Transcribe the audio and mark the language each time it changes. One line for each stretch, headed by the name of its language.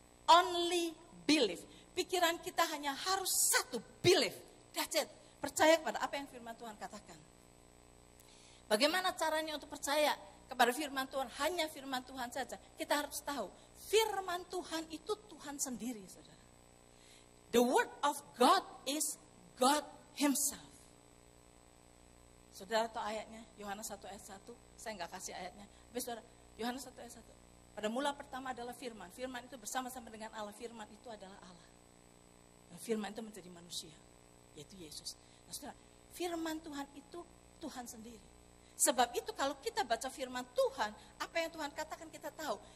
English: Only believe.
Indonesian: Pikiran kita hanya harus satu, believe.
English: That's it.
Indonesian: Percaya kepada apa yang firman Tuhan katakan. Bagaimana caranya untuk percaya kepada firman Tuhan? Hanya firman Tuhan saja. Kita harus tahu, firman Tuhan itu Tuhan sendiri, saudara.
English: The word of God is God himself.
Indonesian: Saudara tahu ayatnya, Yohanes 1 ayat 1. Saya enggak kasih ayatnya. Tapi saudara, Yohanes 1 ayat 1. Pada mula pertama adalah firman. Firman itu bersama-sama dengan Allah. Firman itu adalah Allah. Firman itu menjadi manusia, yaitu Yesus. Nah, saudara, firman Tuhan itu Tuhan sendiri. Sebab itu kalau kita baca firman Tuhan, apa yang Tuhan katakan kita tahu.